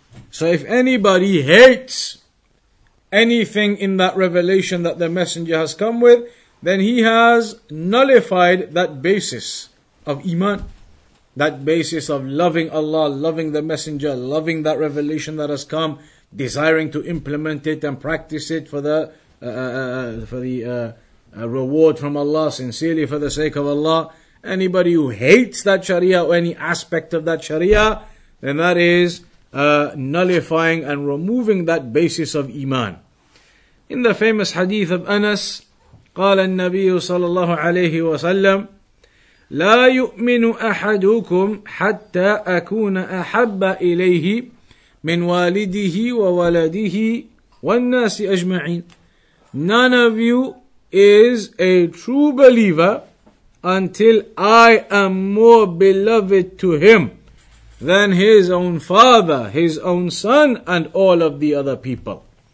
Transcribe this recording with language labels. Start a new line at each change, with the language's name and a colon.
English: So if anybody hates anything in that revelation that the messenger has come with, then he has nullified that basis of iman, that basis of loving Allah, loving the messenger, loving that revelation that has come, desiring to implement it and practice it for the reward from Allah, sincerely for the sake of Allah. Anybody who hates that sharia or any aspect of that sharia, then that is nullifying and removing that basis of iman. In the famous hadith of Anas,
Arabic: قال النبي صلى الله عليه وسلم لا يؤمن أحدكم حتى أكون أحب إليه من والده وولده والناس أجمعين.
English: None of you is a true believer until I am more beloved to him than his own father, his own son, and all of the other people.